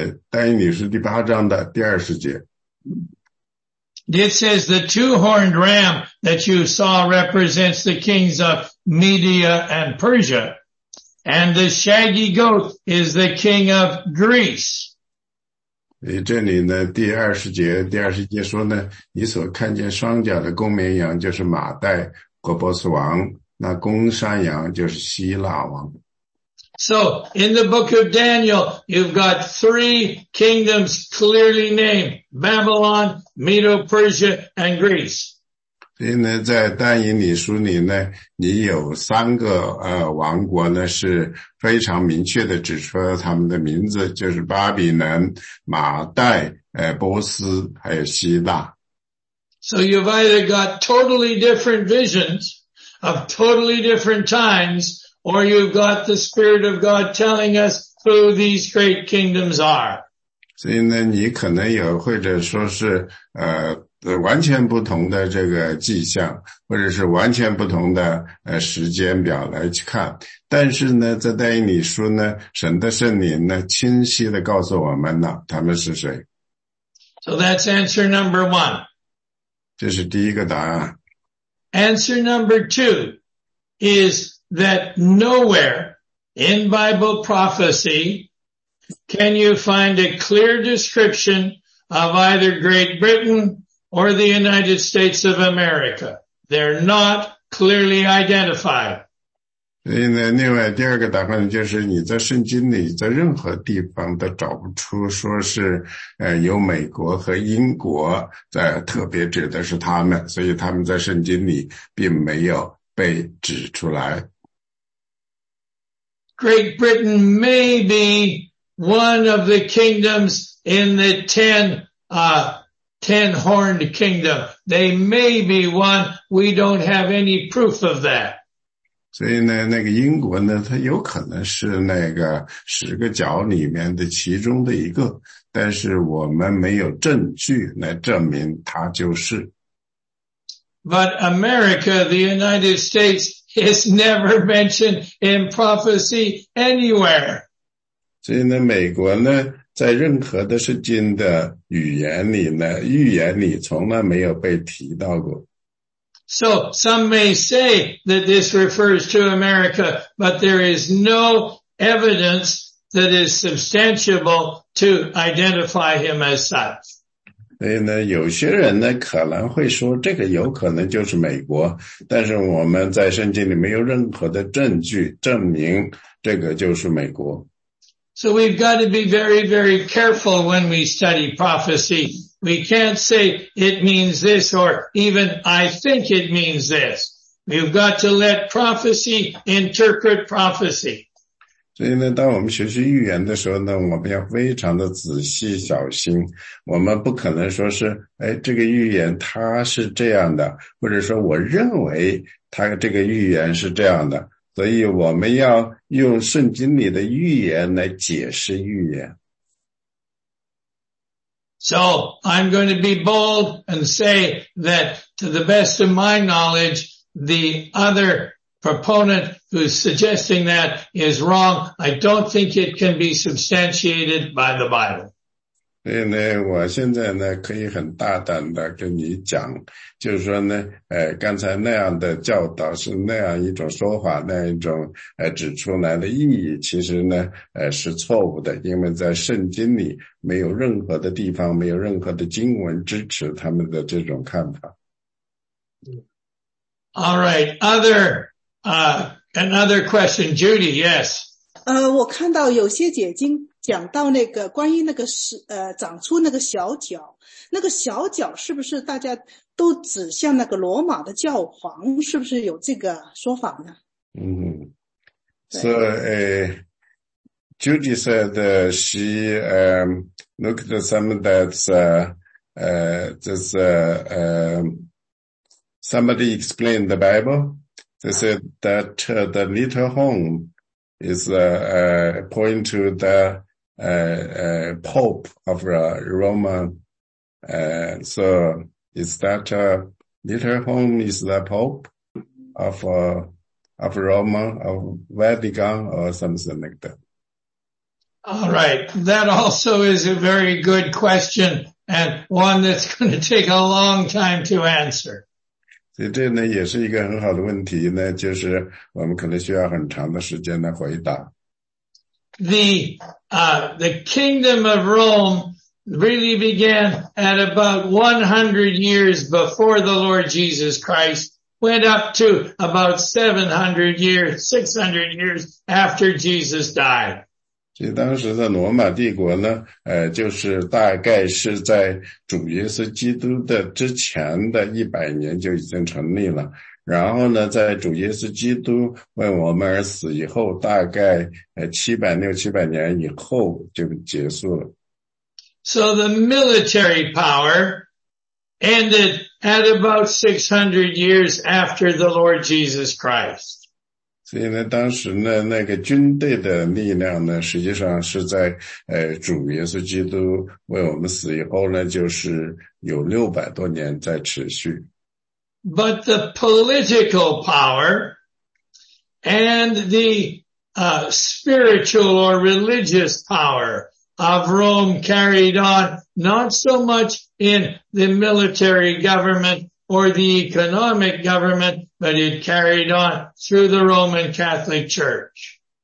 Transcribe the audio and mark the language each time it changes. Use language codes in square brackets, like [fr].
[zh] 但以理书第八章的第二十节。 [en] It says the two-horned ram that you saw represents the kings of Media and Persia, and the shaggy goat is the king of Greece. [zh] 这里呢，第二十节说呢，你所看见双脚的公绵羊就是马代国波斯王，那公山羊就是希腊王。 [en] So, in the book of Daniel, you've got three kingdoms clearly named, Babylon, Medo-Persia, and Greece. [zh] 所以呢，在但以理书里呢，你有三个王国呢，是非常明确的指出了他们的名字，就是巴比伦、马代、波斯还有希腊。 [en] So you've either got totally different visions of totally different times, or you've got the Spirit of God telling us who these great kingdoms are. [zh] 所以呢，你可能有或者说是完全不同的这个迹象，或者是完全不同的时间表来去看。但是呢，在但以理书呢，神的圣灵呢，清晰的告诉我们了他们是谁。 [en] So that's answer number one. [zh] 这是第一个答案。 [en] Answer number two is that nowhere in Bible prophecy can you find a clear description of either Great Britain or the United States of America. They're not clearly identified. [zh] 所以呢，另外第二个答案就是你在圣经里在任何地方都找不出说是有美国和英国在特别指的是他们，所以他们在圣经里并没有被指出来。 [en] Great Britain may be one of the kingdoms in the ten-horned kingdom. They may be one. We don't have any proof of that. [zh] 所以呢，那个英国呢，它有可能是那个十个角里面的其中的一个，但是我们没有证据来证明它就是。 [en] But America, the United States, is never mentioned in prophecy anywhere. [zh] 所以呢，美国呢，在任何的圣经的语言里呢，预言里从来没有被提到过。 [en] So some may say that this refers to America, but there is no evidence that is substantiable to identify him as such. [zh] 所以呢，有些人呢可能会说这个有可能就是美国，但是我们在圣经里没有任何的证据证明这个就是美国。 [en] So we've got to be very, very careful when we study prophecy. We can't say it means this or even I think it means this. We've got to let prophecy interpret prophecy. [zh] 所以呢，当我们学习预言的时候呢，我们要非常的仔细小心。我们不可能说是，哎，这个预言它是这样的，或者说我认为它这个预言是这样的。所以我们要用圣经里的预言来解释预言。 [en] So, I'm going to be bold and say that to the best of my knowledge, the other proponent who's suggesting that is wrong. I don't think it can be substantiated by the Bible. [zh] 所以呢，我现在呢可以很大胆的跟你讲，就是说呢，刚才那样的教导是那样一种说法，那一种指出来的意义，其实呢，是错误的，因为在圣经里没有任何的地方，没有任何的经文支持他们的这种看法。 [en] All right, another question, Judy. Yes. [zh] 我看到有些解经。讲到那个关于那个长出那个小脚，那个小脚是不是大家都指向那个罗马的教皇？是不是有这个说法呢？ [en] 嗯 ，So Judy said she looked at some that's somebody explained the Bible. They said that the little horn is point to the Pope of Roma, so is that little home is the Pope of Roma, of Vatican or something like that? All right. That also is a very good question and one that's going to take a long time to answer. [zh] 所以这呢也是一个很好的问题呢，就是我们可能需要很长的时间来回答。 [en] The kingdom of Rome really began at about 100 years before the Lord Jesus Christ, went up to about 600 years after Jesus died. [zh] 所以当时的罗马帝国呢，就是大概是在主耶稣基督的之前的100年就已经成立了。然后呢，在主耶稣基督为我们而死以后，大概700-700年以后就结束了。 [en] So the military power ended at about 600 years after the Lord Jesus Christ. [zh] 所以呢，当时呢，那个军队的力量呢，实际上是在主耶稣基督为我们死以后呢，就是有600多年在持续。 [en] But the political power and the spiritual or religious power of Rome carried on not so much in the military government or the economic government, but it carried on through the Roman Catholic Church.